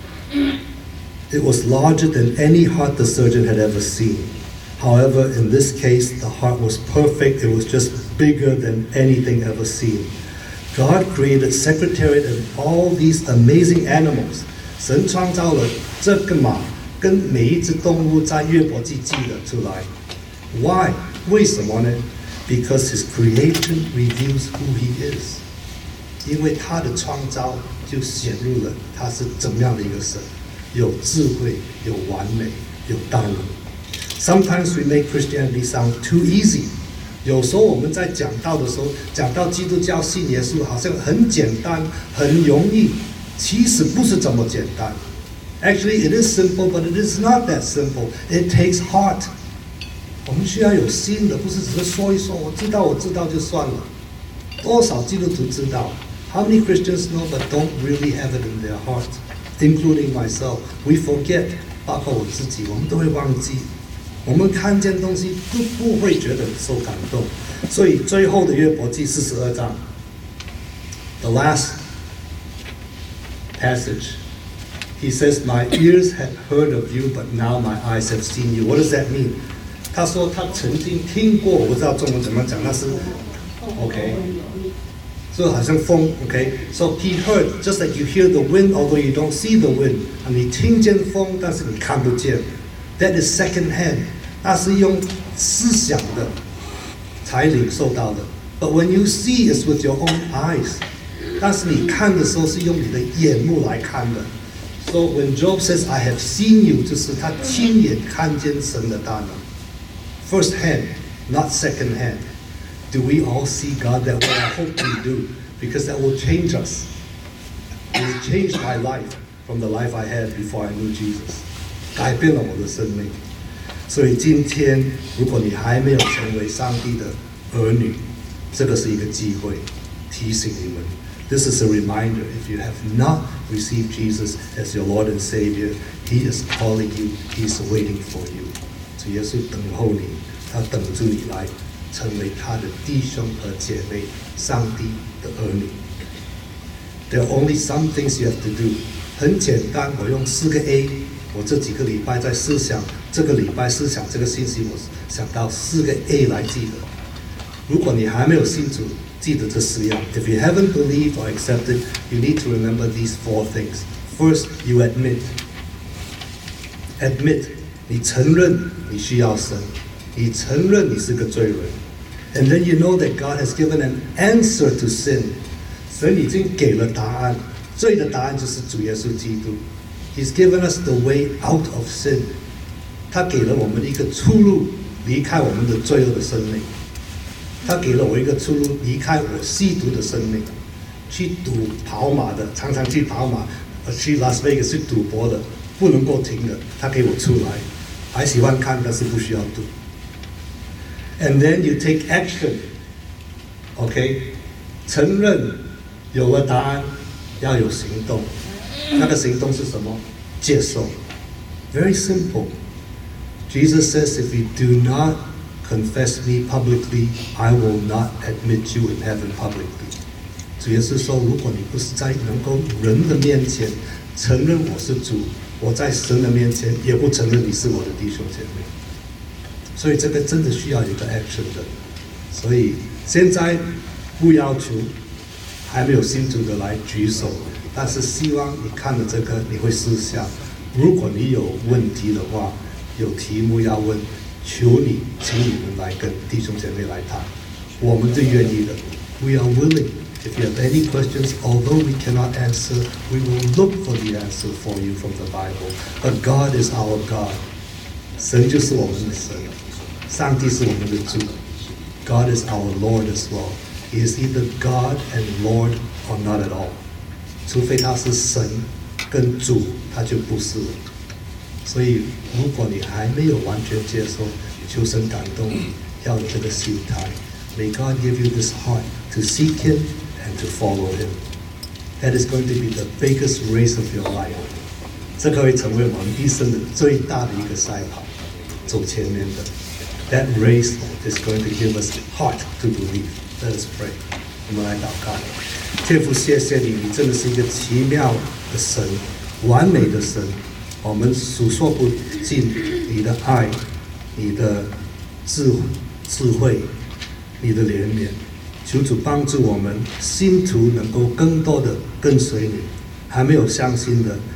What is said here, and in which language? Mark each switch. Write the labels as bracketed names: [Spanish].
[English] It was larger than any heart the surgeon had ever seen. However, in this case, the heart was perfect. It was just bigger than anything ever seen. God created Secretariat and all these amazing animals. [Chinese] 神创造了这个马跟每一只动物在约伯记记了出来。 [English] Why? [Chinese] 为什么呢？ [English] Because his creation reveals who he is. [Chinese] 因为他的创造就显露了他是怎么样的一个神。有智慧，有完美，有大能。 [English] Sometimes we make Christianity sound too easy. [Chinese] 有时候我们在讲道的时候，讲到基督教信耶稣好像很简单，很容易。其实不是这么简单。 [English] Actually, it is simple, but it is not that simple. It takes heart. [Chinese] 我们需要有心的，不是只是说一说，我知道，我知道就算了。多少基督徒知道， [English] How many Christians know but don't really have it in their heart, including myself? We forget, [Chinese] 包括我自己，我们都会忘记。我们看见东西都不会觉得受感动。所以最后的约伯记四十二章 [English] ，the last passage, he says, "My ears had heard of you, but now my eyes have seen you." What does that mean? [Chinese] 他说他曾经听过，我不知道中文怎么讲，那是 OK。 So, 好像风 okay? [English] So he heard, just like you hear the wind, although you don't see the wind. [Chinese] 你听见风，但是你看不见。 [English] That is second hand. [Chinese] 那是用思想的才领受到的。 [English] But when you see, it's with your own eyes. [Chinese] 但是你看的时候是用你的眼目来看的。 [English] So when Job says, I have seen you, [Chinese] 就是他亲眼看见神的大能。 [English] First hand, not second hand. Do we all see God that way? I hope we do, because that will change us. It will change my life from the life I had before I knew Jesus. [Chinese] 改变了我的生命。所以今天，如果你还没有成为上帝的儿女，这个是一个机会，提醒你们。 [English] This is a reminder, if you have not received Jesus as your Lord and Savior, He is calling you, He is waiting for you. [Chinese] 主耶稣等候你，他等住你来。成为他的弟兄和姐妹，上帝的儿女。 [English] There are only some things you have to do. [Chinese] 很简单，我用四个 A。我这几个礼拜在思想，这个礼拜思想这个信息，我想到四个 A 来记得。如果你还没有信主，记得这四样。 [English] If you haven't believed or accepted, you need to remember these four things. First, you admit. Admit, [Chinese] 你承认你需要神。你承认你是个罪人 [English] And then you know that God has given an answer to sin [Chinese] 神已经给了答案罪的答案就是主耶稣基督 [English] He's given us the way out of sin [Chinese] 他给了我们一个出路离开我们的罪恶的生命他给了我一个出路离开我吸毒的生命去赌跑马的常常去跑马去 Las Vegas 去赌博的不能够停的他给我出来还喜欢看但是不需要赌 [English] And then you take action, okay? [Chinese] 承认有了答案，要有行动。那个行动是什么？接受。 [English] Very simple. Jesus says, if you do not confess me publicly, I will not admit you in heaven publicly. [Chinese] 主耶稣说，如果你不是在能够人的面前承认我是主，我在神的面前也不承认你是我的弟兄姐妹。所以这个真的需要一个 action 的，所以现在不要求还没有信主的来举手，但是希望你看了这个你会思想，如果你有问题的话，有题目要问，求你请你们来跟弟兄姐妹来谈，我们是愿意的 ， [English] We are willing. If you have any questions, although we cannot answer, we will look for the answer for you from the Bible. But God is our God. [Chinese] 神就是我们的神，上帝是我们的主。 [English] God is our Lord as well. He is either God and Lord or not at all. [Chinese] 除非他是神跟主，他就不是了。所以，如果你还没有完全接受，求神感动你，要这个心态。 [English] May God give you this heart to seek Him and to follow Him. That is going to be the biggest race of your life. [Chinese] 这个会成为我们一生的最大的一个赛跑，走前面的。 [English] That race is going to give us heart to believe. Let us pray. [Chinese] 我们来祷告。天父，谢谢你，你真的是一个奇妙的神，完美的神。我们数说不尽你的爱，你的智慧，你的怜悯。求主帮助我们信徒能够更多的跟随你，还没有相信的。